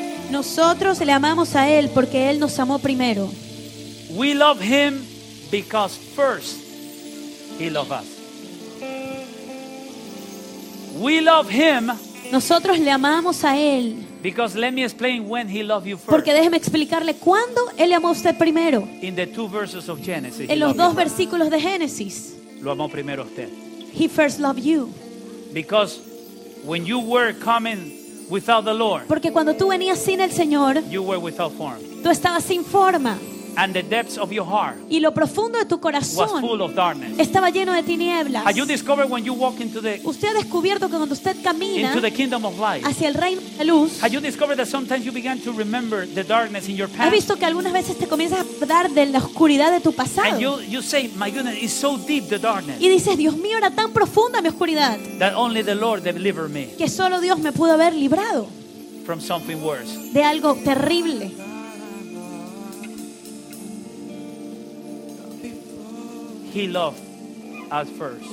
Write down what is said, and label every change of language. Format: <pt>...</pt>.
<es>Nosotros le amamos a él porque él nos amó primero.</es> <en>We love him because first he loved us. We love him.</en> <es>Nosotros le amamos a él.</es> <en>Because let me explain when he loved you first.</en> <es>Porque déjeme explicarle cuándo él le amó a usted primero.</es> <en>In the two verses of Genesis.</en> <es>En los dos versículos de Génesis. Lo amó primero usted.</es> <en>He first loved you. Because when you were coming without the Lord,</en> <es>porque cuando tú venías sin el Señor,</es> <en>you were without form,</en> <es>tú estabas sin forma,</es> <en>and the depths of your heart,</en> <es>y lo profundo de tu corazón,</es> <en>was full of darkness,</en> <es>estaba lleno de tinieblas.</es> <en>Have you discovered when you walk into the,</en> <es>usted ha descubierto que cuando usted camina</es> <en>into the kingdom of light,</en> <es>hacia el reino de luz,</es> <en>have you discovered that sometimes you began to remember the darkness in your past,</en> <es>has visto que algunas veces te comienzas a dar de la oscuridad de tu pasado,</es> <en>and you say, my goodness, it's so deep, the darkness,</en> <es>y dices, Dios mío, era tan profunda mi oscuridad,</es> <en>that only the Lord delivered me,</en> <es>que solo Dios me pudo haber librado</es> <en>from something worse,</en> <es>de algo terrible.</es> <en>He loved us first.</en>